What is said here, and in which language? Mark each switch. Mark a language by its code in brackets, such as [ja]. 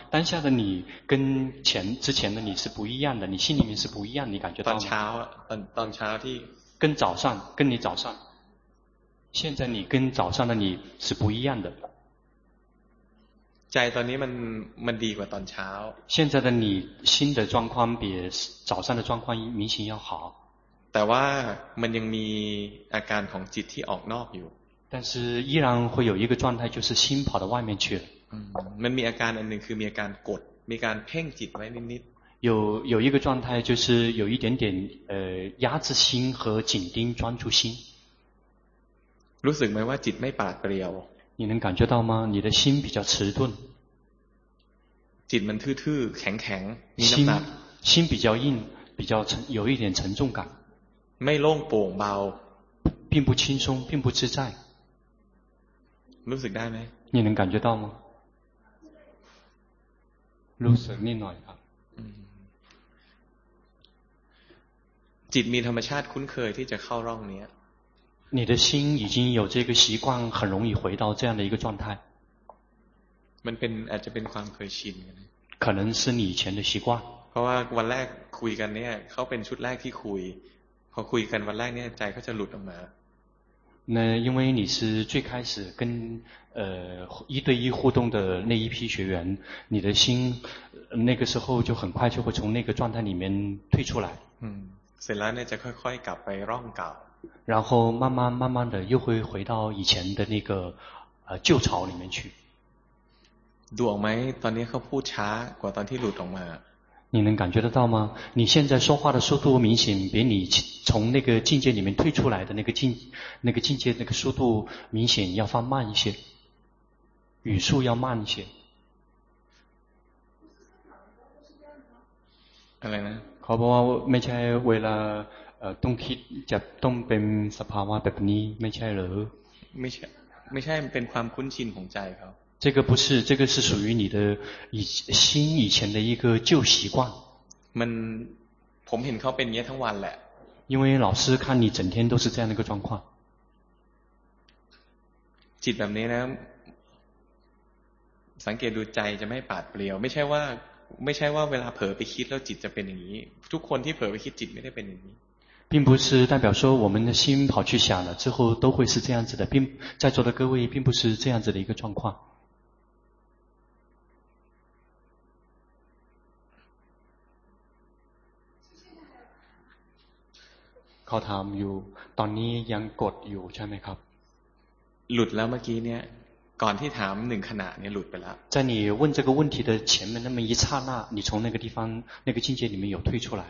[zh] 当下的你跟前之前的你是不一样的，你心里面是不一样，你感觉到吗？早上跟你早上，现在你跟早上的你是不一样的。 [th] 在ตอนนี้มันดีกว่าตอนเช้า。 [zh] 现在的你心的状况比早上的状况明显要好。 [th] แต่ว่ามันยังมีอาการของจิตที่ออกนอกอยู่ [zh] 但是依然会有一个状态就是心跑到外面去了 [th] มันมีอาการอันหนึ่งคือมีอาการกดมีการเพ่งจิตไว้นิด [zh] ๆ有一个状态就是有一点点压制心和紧盯专注心 [th] รู้สึกไหมว่าจิตไม่ปราดเปรียว [zh] 你能感觉到吗你的心比较迟钝 [th] จิตมันทื่อๆแข็งๆ [zh] 心比较硬比较有一点沉重感 [th] ไม่โล่งโปร่งเบา [zh] 并不轻松并不自在 [th] รู้สึกได้ไ [zh] หม你能感觉到吗 [th] รู้สึกนิดหน่อยครับ จิตมีธรรมชาติคุ้นเคยที่จะเข้าร่องนี้ [zh] 你的心已经有这个习惯很容易回到这样的一个状态 [th] มันเป็นอาจจะเป็นความเคยชิน [zh] 可能是你以前的习惯 [th] เพราะว่าวันแรกคุยกันเนี่ยเขาเป็นชุดแรกที่คุยพอคุยกันวันแรกเนี่ยใจเขาจะหลุดออกมา [zh] 那因为你是最开始跟一对一互动的那一批学员你的心那个时候就很快就会从那个状态里面退出来 [th] เสร็จแล้วเนี่ยจะค่อยๆกลับไปร่องเก่า [zh] 然后慢慢慢慢的又会回到以前的那个旧巢里面去 [th] ดูออกไหมตอนนี้เขาพูดช้ากว่าตอนที่หลุดออกมา [zh] 你能感觉得到吗你现在说话的速度明显比你从那个境界里面退出来的那个境界那个速度明显要放慢一些语速要慢一些 [th] อะไรนะ เขาบอกว่าไม่ใช่เวลาต้องคิดจะต้องเป็นสภาวะแบบนี้ไม่ใช่เหรอ ไม่ใช่เป็นความคุ้นชินของใจเขา [zh] 这个不是这个是属于你的心以前的一个旧习惯 [th] มันผมเห็นเขาเป็นเงี้ยทั้งวันแหละ [zh] 因为老师看你整天都是这样的一个状况 [th] จิตแบบนี้นะสังเกตดูใจจะไม่ปาดเปลี่ยวไม่ใช่ว่าเวลาเผลอไปคิดแล้วจิตจะเป็นอย่างนี้ทุกคนที่เผลอไปคิดจิตไม่ได้เป็นอย่างนี้ [zh] 并不是代表说我们的心跑去想了之后都会是这样子的并在座的各位并不是这样子的一个状况 [th] เขาถามอยู่ตอนนี้ยังกดอยู่ใช่ไหมครับ หลุดแล้วเมื่อกี้เนี่ยก่อนที่ถามหนึ่งขณะเนี่ยหลุดไปแล้ว [zh] 在你问这个问题的前面那么一刹那你从那个地方那个境界里面有退出来